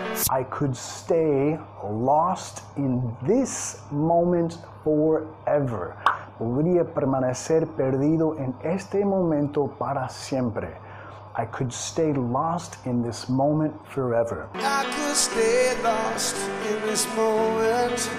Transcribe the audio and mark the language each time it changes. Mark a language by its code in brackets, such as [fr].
[en] I could stay lost in this moment forever. [es] Podría permanecer perdido en este momento para siempre. [en] I could stay lost in this moment forever. I could stay lost in this moment.